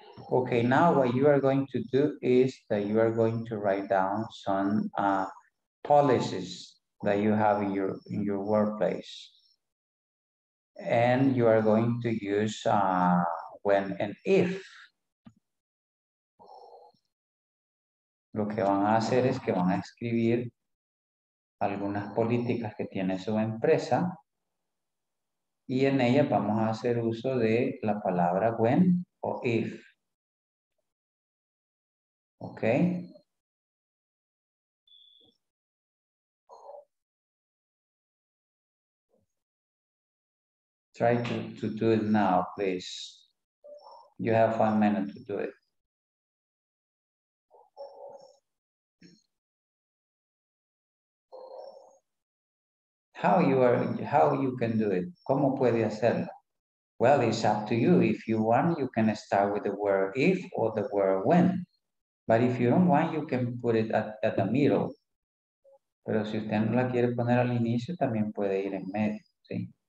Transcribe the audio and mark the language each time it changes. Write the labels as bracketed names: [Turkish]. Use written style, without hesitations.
[English] Okay, now what you are going to do is that you are going to write down some policies that you have in your workplace. And you are going to use when and if. [Spanish] Lo que van a hacer es que van a escribir algunas políticas que tiene su empresa. Y en ella vamos a hacer uso de la palabra when o if. [English] Okay. Try to do it now, please. You have 5 minutes to do it. How you can do it? [Spanish] ¿Cómo puede hacerlo? [English] Well, it's up to you. If you want, you can start with the word if or the word when. But if you don't want, you can put it at the middle. [Spanish] Pero si usted no la quiere poner al inicio, también puede ir en medio, ¿sí?